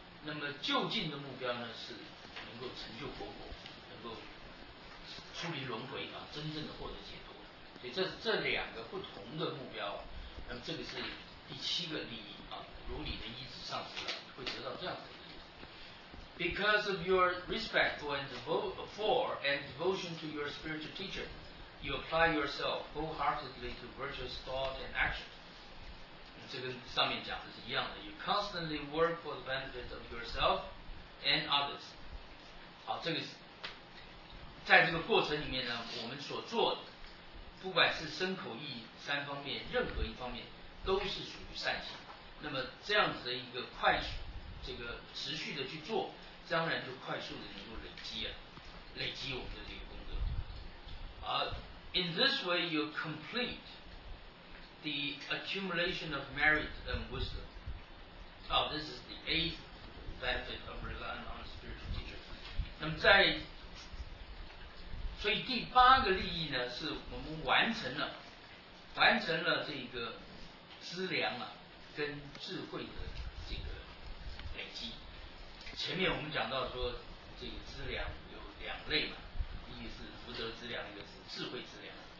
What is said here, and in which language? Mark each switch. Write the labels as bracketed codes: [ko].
[zh] 那么就近的目标呢，是能够成就佛果，能够。出离轮回啊，真正的获得解脱，所以所以这是这两个不同的目标，那么这个是第七个利益啊，如你的意志上升了，会得到这样的利益。 [en] Because of your respect for and devotion to your spiritual teacher, you apply yourself wholeheartedly to virtuous thought and action. 这跟上面讲的是一样的。 You constantly work for the benefit of yourself and others. [zh] 好，这个是在这个过程里面呢，我们所做的，不管是身口意三方面，任何一方面都是属于善行。那么这样子的一个快速，这个持续的去做，当然就快速的能够累积啊，累积我们的这个功德。 [en] In this way, you complete the accumulation of merit and wisdom. This is the eighth benefit of relying on a spiritual teacher. [zh] 那么在所以第八个利益呢，是我们完成了这个资粮啊跟智慧的这个累积。前面我们讲到说，这个资粮有两类嘛，一个是福德资粮，一个是智慧资粮。